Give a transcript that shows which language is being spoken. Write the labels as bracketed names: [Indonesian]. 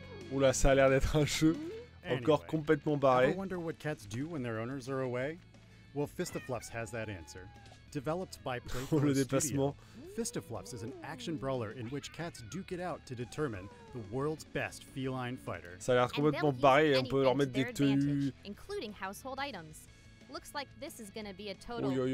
[French] Oula, ça a l'air d'être un jeu encore complètement barré. [English] Ever wonder what cats do when their owners are away? Well, Fistafluffs has that answer. Developed by Playfield [French] le déplacement. [English] Fistafluffs is an action brawler in which cats duke it out to determine the world's best feline fighter. [French] Ça a l'air complètement barré et on peut leur mettre des tenues. [English] Including household items. Looks like this is gonna be a total